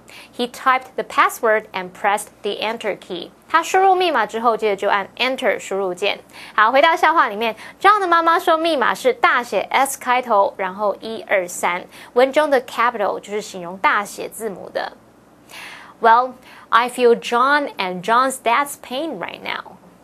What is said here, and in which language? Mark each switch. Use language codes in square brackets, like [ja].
[en] He typed the password and pressed the enter key. [zh] 他输入密码之后，接着就按 enter 输入键。好，回到笑话里面，John的妈妈说密码是大写 S 开头，然后123。文中的 capital 就是形容大写字母的。 [en] Well, I feel John and John's dad's pain right now.